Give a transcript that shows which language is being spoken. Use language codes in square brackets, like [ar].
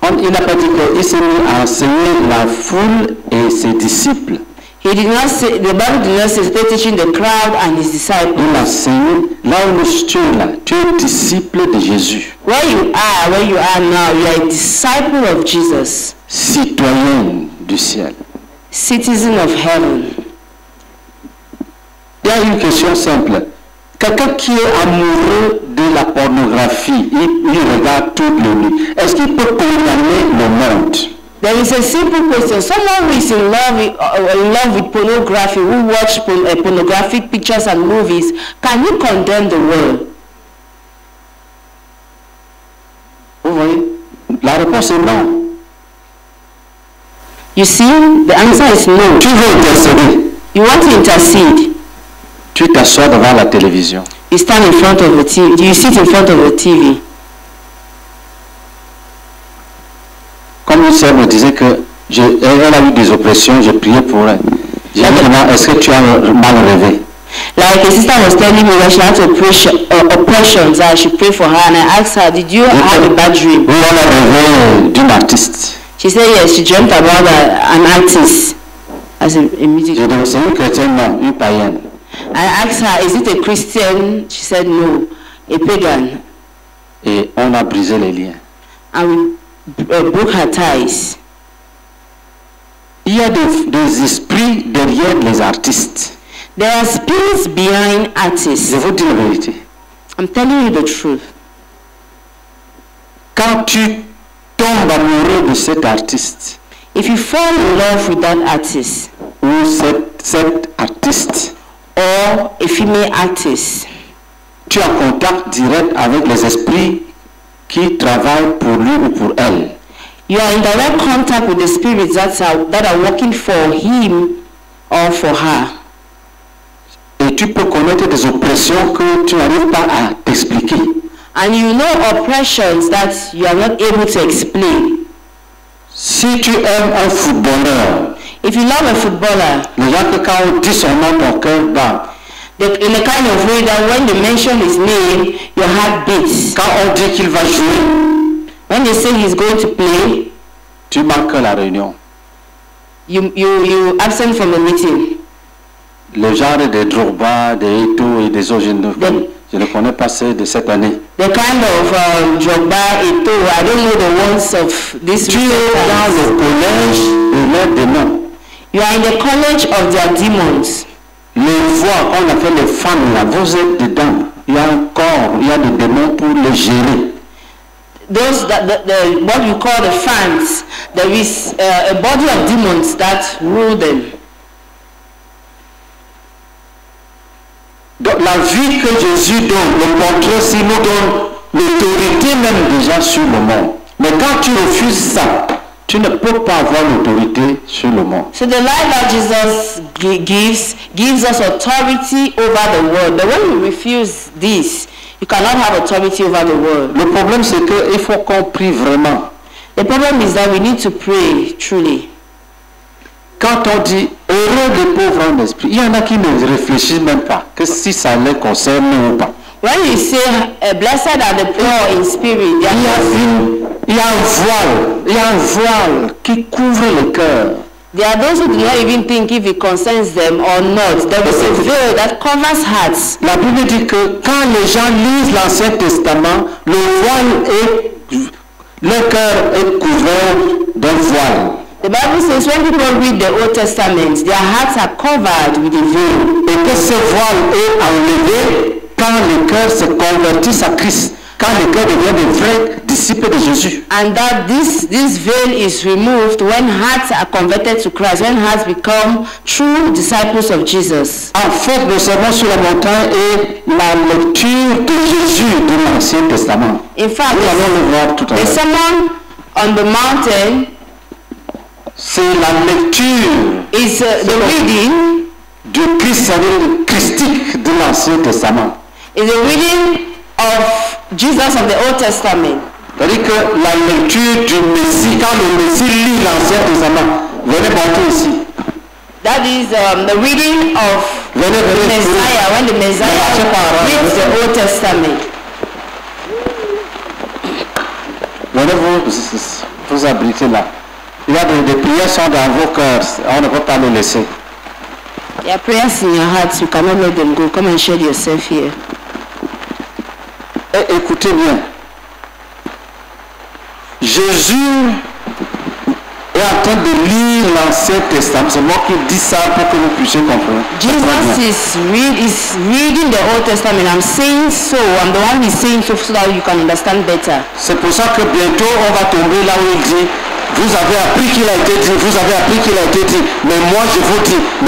[fr] Il n'a pas dit qu'il se mit à enseigner la foule et ses disciples. [en] He did not say, the Bible did not say, they're teaching the crowd and his disciples. [fr] Il enseigne là où nous sommes là. Tu es disciple de Jésus. [en] Where you are now, you are a disciple of Jesus. [fr] Citoyen du ciel. [en] Citizen of heaven. [fr] Il y a une question simple. Quelqu'un qui est amoureux de la pornographie, il regarde tout le monde. Est-ce qu'il peut condamner le monde? [en] There is a simple question. Someone who is in love with pornography, who watch pornographic pictures and movies, can you condemn the world? [fr] Vous voyez? La réponse est non. [en] You see, the answer is no. [fr] Tu veux intercéder. [en] You want to intercede. [fr] Tu t'assois devant la télévision. [en] You stand in front of the TV. You sit in front of the TV. [fr] Comme une sœur me disait que elle a eu des oppressions, j'ai prié pour elle. J'ai dit, maman, est-ce que tu as mal rêvé? [en] Like a sister was telling me that she had oppressions, and she prayed for her, and I asked her, did you have a bad dream? [fr] Oui, on a rêvé d'une artiste. [en] She said yes, she dreamt about an artist as a music. [fr] Je dis, c'est une chrétienne, non, une païenne. [en] I asked her, is it a Christian? She said no, a pagan. [fr] Et on a brisé les liens. [en] And we broke her ties. [fr] Il y a des esprits derrière les artistes. [en] There are spirits behind artists. [fr] Je vous dis la vérité. [en] I'm telling you the truth. [fr] Quand tu tombes amoureux de cet artiste, [en] if you fall in love with that artist, [fr] ou cet artiste, [en] or a female artist, [fr] tu as contact direct avec les esprits qui travaillent pour lui ou pour elle. [en] You are in direct contact with the spirits that are working for him or for her. [fr] Et tu peux connaître des oppressions que tu n'arrives pas à t'expliquer. [en] And you know oppressions that you are not able to explain. [fr] Si tu aimes un footballeur, [en] if you love a footballer, [fr] le genre que dit son nom dans ton cœur bat. [en] In a kind of way that when they mention his name, your heart beats. [fr] Quand on dit qu'il va jouer, [en] when they say he's going to play, [fr] tu manques la réunion. [en] You absent from the meeting. [fr] Le genre des Drogba, des Eto et des autres, je ne connais pas ceux de cette année. [en] The kind of Drogba, Eto, I don't know the ones of this year. [fr] Tu es dans le collège de leurs démons. [en] You are in the college of their demons. [fr] Les voix, on appelle les femmes là, vous êtes dedans. Il y a un corps, il y a des démons pour les gérer. [en] Those that the what you call the fans, there is a body of demons that rule them. [fr] Donc la vie que Jésus donne, le portrait, s'il nous donne l'autorité même déjà sur le monde. Mais quand tu refuses ça, tu ne peux pas avoir l'autorité sur le monde. [en] So the life that Jesus gives us authority over the world. But when you refuse this, you cannot have authority over the world. [fr] Le problème c'est que il faut qu'on prie vraiment. [en] The problem is that we need to pray truly. [fr] Quand on dit heureux des pauvres en esprit, il y en a qui ne réfléchissent même pas que si ça les concerne ou pas. [en] When you say blessed are the poor in spirit, [fr] il y a un voile qui couvre le cœur. [en] There are those who do not even think if it concerns them or not. There is a veil that covers hearts. [fr] La Bible dit que quand les gens lisent l'Ancien Testament, le voile le cœur est couvert d'un voile. [en] The Bible says when people read the Old Testament, their hearts are covered with a veil. [fr] Et que ce voile est enlevé quand le cœur se convertit à Christ. Quand le cœur devient des vrais disciples de Jésus. [en] And that this veil is removed when hearts are converted to Christ, when hearts become true disciples of Jesus. [fr] En fait, le sermon sur la montagne est la lecture de Jésus de l'Ancien Testament. [en] In fact, [fr] nous allons le voir tout à l'heure. [en] The sermon on the mountain, [fr] c'est la lecture, [en] is the reading [fr] du Christ, c'est-à-dire le Christique de l'Ancien Testament. [en] Is the reading of Jesus of the Old Testament. [fr] C'est-à-dire que la lecture du Messie, quand le Messie lit l'Ancien Testament, venez porter ici. [en] That is the reading of [fr] venez, [en] the Messiah, [fr] venez. [en] When the Messiah reads the Old Testament. [fr] Venez vous abriter là. Il y a des prières sont dans vos cœurs, on ne peut pas les laisser. [en] There are prayers in your hearts, you cannot let them go. Come and shed yourself here. [fr] Et écoutez bien, Jésus est en train de lire l'Ancien Testament. C'est moi qui dis ça pour que vous puissiez comprendre. [en] Jesus is reading the Old Testament. I'm saying so. I'm the one who's saying so that you can understand better. [fr] C'est pour ça que bientôt on va tomber là où il dit, vous avez appris qu'il a été dit, vous avez appris qu'il a été dit, mais moi je vous dis.